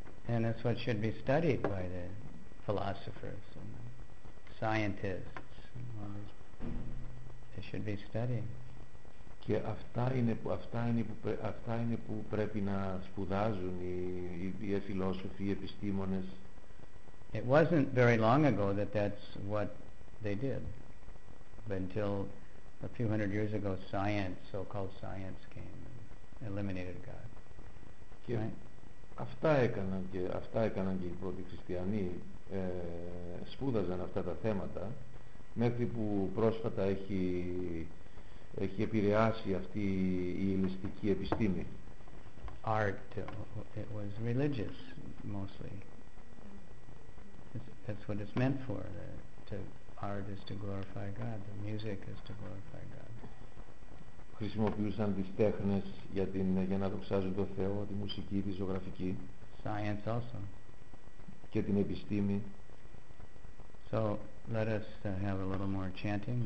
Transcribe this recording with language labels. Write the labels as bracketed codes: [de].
[en] And that's what should be studied by the philosophers and the scientists. They should be studying. [el] Και αυτά είναι που πρέπει να σπουδάζουν οι φιλόσοφοι, οι επιστήμονες. [en] It wasn't very long ago that that's what they did. But until a few hundred years ago, science, so-called science, came and eliminated God. [el] Και right? αυτά έκαναν και οι πρώτοι χριστιανοί, σπούδαζαν αυτά τα θέματα, μέχρι που πρόσφατα έχει επηρεάσει αυτή η ηλιστική επιστήμη. [en] Art, it was religious mostly. That's what it's meant for. To art is to glorify God. The music is to glorify God. [el] Χρησιμοποιούσαν τις τέχνες για να δοξάζουν τον Θεό, τη μουσική, τη ζωγραφική. [en] Science also. [el] Και την επιστήμη. [en] So let us have a little more chanting.